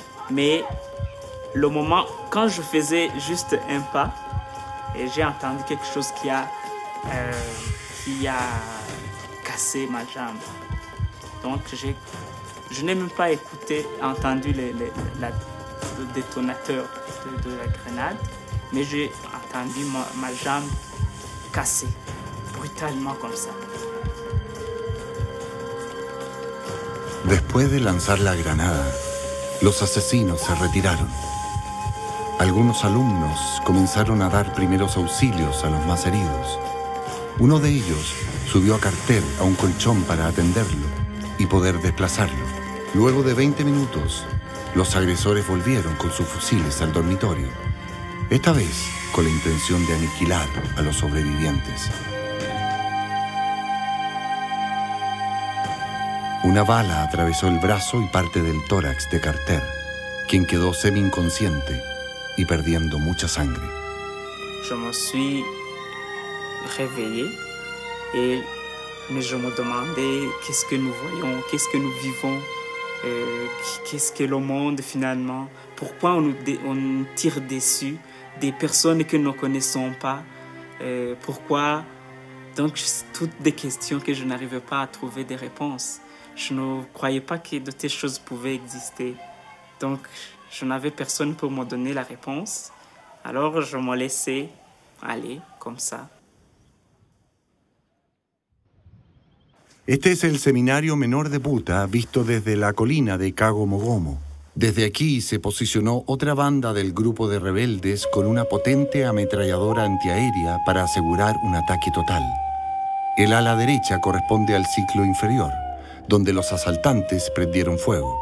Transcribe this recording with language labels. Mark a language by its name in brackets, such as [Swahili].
[French] Mais le moment, quand je faisais juste un pas, et j'ai entendu quelque chose qui a cassé ma jambe. Donc, je n'ai même pas écouté, entendu le détonateur de la grenade, mais j'ai entendu ma jambe casser brutalement comme ça. [Spanish] Después de lanzar la granada, los asesinos se retiraron. Algunos alumnos comenzaron a dar primeros auxilios a los más heridos. Uno de ellos subió a cartel a un colchón para atenderlo y poder desplazarlo. Luego de 20 minutos, los agresores volvieron con sus fusiles al dormitorio, esta vez con la intención de aniquilar a los sobrevivientes. Una bala atravesó el brazo y parte del tórax de Carter, quien quedó semi-inconsciente y perdiendo mucha sangre. [French] Je me suis réveillé et mais je me demandais qu'est-ce que nous voyons, qu'est-ce que nous vivons, qu'est-ce que le monde finalement, pourquoi on nous tire dessus, des personnes que nous ne connaissons pas, pourquoi. Donc toutes des questions que je n'arrivais pas à trouver des réponses. Je ne croyais pas que de telles choses pouvaient exister. Donc, je n'avais personne pour me donner la réponse. Alors, je me laissais aller comme ça. [Spanish] Este es el seminario menor de Buta, visto desde la colina de Kagomogomo. Desde aquí se posicionó otra banda del grupo de rebeldes con una potente ametralladora antiaérea para asegurar un ataque total. El ala derecha corresponde al ciclo inferior, donde los asaltantes prendieron fuego.